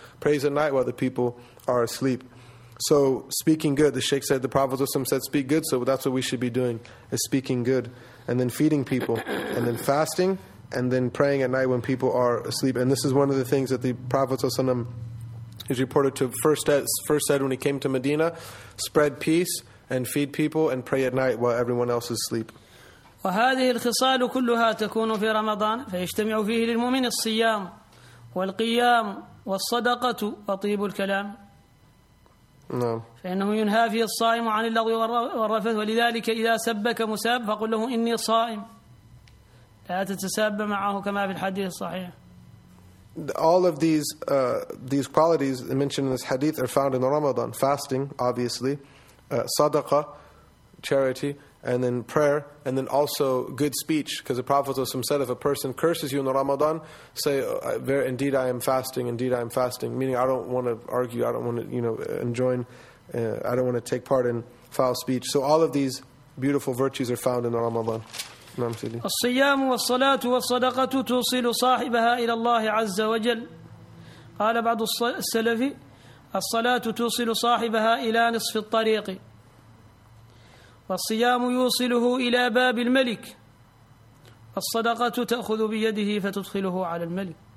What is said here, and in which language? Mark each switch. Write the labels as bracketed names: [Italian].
[English] Prays at night while the people are asleep. So speaking good, the Sheikh said, the Prophet ﷺ said, speak good, so that's what we should be doing, is speaking good. And then feeding people, and then fasting, and then praying at night when people are asleep. And this is one of the things that the Prophet ﷺ is reported to first said when he came to Medina, spread peace and feed people and pray at night while everyone else is asleep. [Arabic] وهذه الخصال كلها تكون في رمضان فيجتمع فيه للمؤمن الصيام والقيام والصدقة وطيب الكلام نعم. فإنه ينهى فيه الصائم عن اللغو والرفث ولذلك إذا سبك مساب فقل له إني صائم لا تتساب معه كما في الحديث الصحيح. [English] All of these qualities mentioned in this hadith are found in Ramadan, fasting obviously, sadaqah, charity, and then prayer, and then also good speech. Because the Prophet ﷺ said, if a person curses you in the Ramadan, say, indeed I am fasting, indeed I am fasting. Meaning, I don't want to argue, I don't want to, you know, enjoin, I don't want to take part in foul speech. So all of these beautiful virtues are found in the Ramadan. [Arabic] نعم سيدي. الصيام والصلاة والصدقة توصل صاحبها إلى الله عز وجل. قال بعض السلف الصلاة توصل صاحبها إلى نصف الطريق. والصيام يوصله إلى باب الملك الصدقة تأخذ بيده فتدخله على الملك